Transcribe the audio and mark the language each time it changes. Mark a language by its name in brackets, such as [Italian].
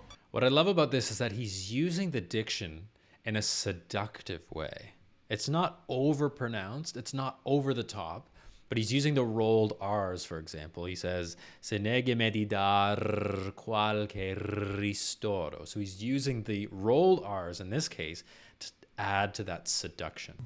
[English] What I love about this is that he's using the diction in a seductive way. It's not overpronounced, it's not over the top, but he's using the rolled R's, for example. He says, [Italian] "Se neghi me di dar qualche ristoro." [English] So he's using the rolled R's in this case to add to that seduction.